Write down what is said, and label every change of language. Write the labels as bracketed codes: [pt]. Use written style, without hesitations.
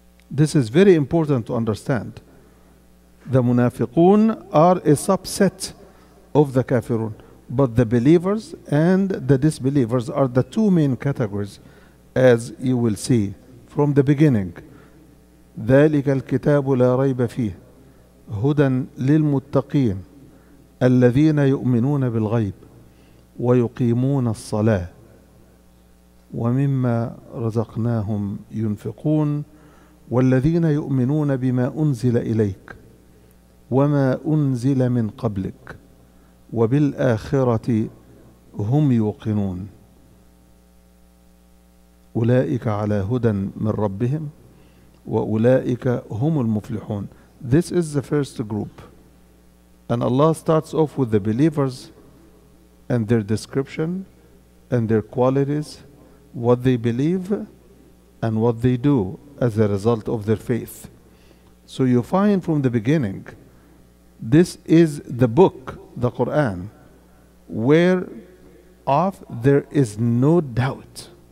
[en] This is very important to understand. The munafiqun are a subset of the kafirun, but the believers and the disbelievers are the two main categories, as you will see from the beginning. [ar] ذَلِكَ الْكِتَابُ لَا رَيْبَ فِيهِ هُدًى لِلْمُتَّقِينَ الَّذِينَ يُؤْمِنُونَ بِالْغَيْبِ وَيُقِيمُونَ الصَّلَاةِ وَمِمَّا رَزَقْنَاهُمْ يُنْفِقُونَ والذين يؤمنون بما أنزل إليك وما أنزل من قبلك وبالآخرة هم يوقنون أولئك على هدى من ربهم وأولئك هم المفلحون. [en] This is the first group. And Allah starts off with the believers and their description and their qualities, what they believe and what they do as a result of their faith. So you find from the beginning, this is the book, the Quran, whereof there is no doubt.